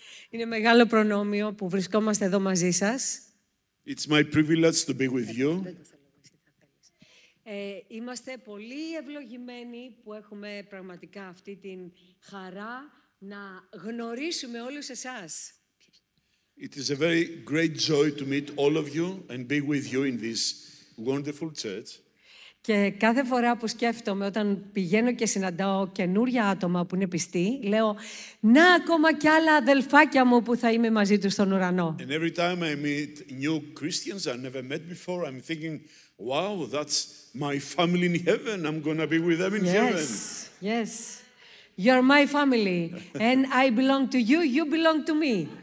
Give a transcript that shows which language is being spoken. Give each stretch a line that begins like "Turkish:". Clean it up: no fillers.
Greek: Είναι μεγάλο προνόμιο που βρισκόμαστε εδώ μαζί σας.
English: It's my privilege to be with you.
Greek: Είμαστε πολύ ευλογημένοι που έχουμε πραγματικά αυτή την χαρά να γνωρίσουμε όλους εσάς.
English: It is a very great joy to meet all of you and be with you in this wonderful church.
Greek: Και κάθε φορά που σκέφτομαι, όταν πηγαίνω και συναντάω καινούρια άτομα που είναι πιστοί, λέω, να ακόμα κι άλλα αδελφάκια μου που θα είμαι μαζί τους στον ουρανό.
English: And every time I meet new Christians I never met before, I'm thinking, wow, that's my family in heaven. I'm going to be with them in heaven. Yes, yes. You're my family. And I belong to you, you belong to me.